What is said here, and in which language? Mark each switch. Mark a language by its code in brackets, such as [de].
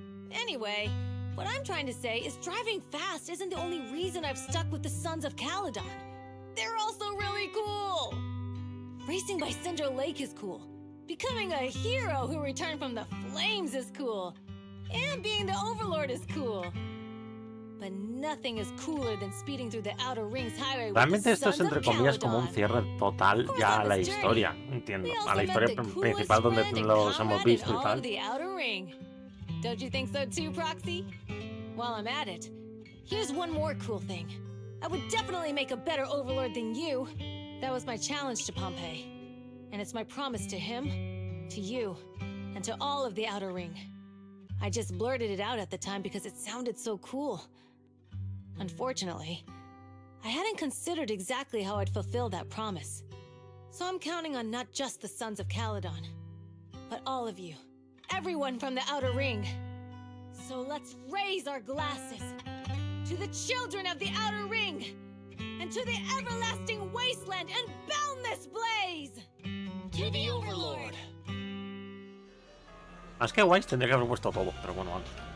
[en] Anyway, what I'm trying to say is driving fast isn't the only reason I've stuck with the Sons of Caladon. They're also really cool! Racing by Cinder Lake is cool. Becoming a hero who returned from the flames is cool. And being the Overlord is cool. But nothing is cooler than speeding through the Outer Rings Highway. [es] Realmente esto es entre comillas como un cierre total ya a la historia, entiendo, a la historia principal donde los hemos visto y tal. [en] Don't you think so too, Proxy? While I'm at it, here's one more cool thing. I would definitely make a better Overlord than you. That was my challenge to Pompey, and it's my promise to him to you and to all of the Outer Ring. I just blurted it out at the time because it sounded so cool. Unfortunately, I hadn't considered exactly how I'd fulfill that promise. So I'm counting on not just the Sons of Caladon, but all of you. Everyone from the Outer Ring. So let's raise our glasses to the children of the Outer Ring and to the everlasting wasteland and boundless blaze! To the Overlord! [es] Es que Wise tendría que haber puesto todo, pero bueno, vamos.